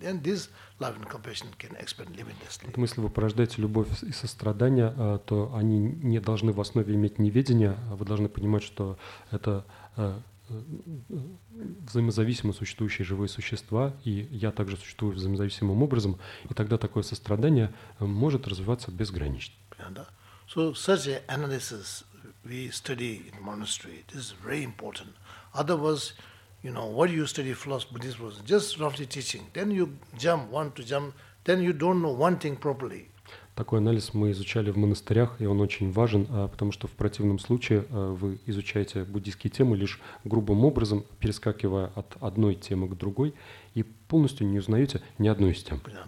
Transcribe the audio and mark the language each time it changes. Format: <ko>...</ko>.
<en>Then this love and compassion can expand limitlessly.</en> <ru>Поэтому если вы порождаете любовь и сострадание, то они не должны в основе иметь неведение, а вы должны понимать, что это взаимозависимо существующие живые существа, и я также существую взаимозависимым образом, и тогда такое сострадание может развиваться безгранично.</ru> <en>So such an analysis we study in monastery, this is very important. Otherwise, you know, what you study philosophy, Buddhism, just roughly teaching, then you jump, want to jump, then you don't know one thing properly.</en> <ru>Такой анализ мы изучали в монастырях, и он очень важен, потому что в противном случае вы изучаете буддийские темы лишь грубым образом, перескакивая от одной темы к другой, и полностью не узнаете ни одной из тем.</ru>